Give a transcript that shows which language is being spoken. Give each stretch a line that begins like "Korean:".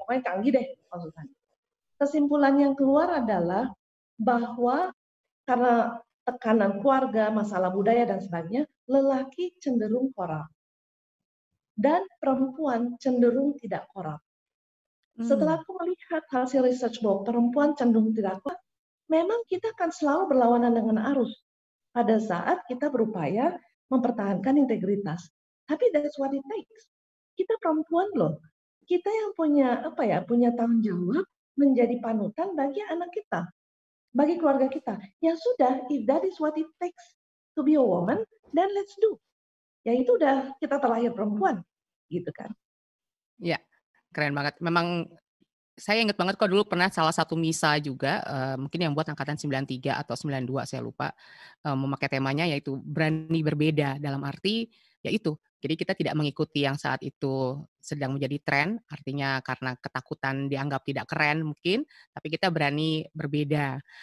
Indonesian: Pokoknya canggih deh konsultan. Kesimpulan yang keluar adalah bahwa karena tekanan keluarga, masalah budaya dan sebagainya, lelaki cenderung korup. Dan perempuan cenderung tidak korup. Setelah aku melihat hasil research bahwa perempuan cenderung tidak korup, memang kita akan selalu berlawanan dengan arus pada saat kita berupaya mempertahankan integritas. Tapi
English: that's what it takes.
Indonesian: Kita perempuan loh. Kita yang punya tanggung jawab menjadi panutan bagi anak kita, bagi keluarga kita. Ya sudah,
English: if that is what it takes to be a woman, then let's do.
Indonesian: Ya itu udah kita terlahir perempuan, gitu kan. Ya, keren banget. Memang saya ingat banget kok dulu pernah salah satu misa juga, mungkin yang buat angkatan 93 atau 92, saya lupa, memakai temanya yaitu berani berbeda. Dalam arti, ya itu. Jadi kita tidak mengikuti yang saat itu sedang menjadi tren, artinya karena ketakutan dianggap tidak keren mungkin, tapi kita berani berbeda.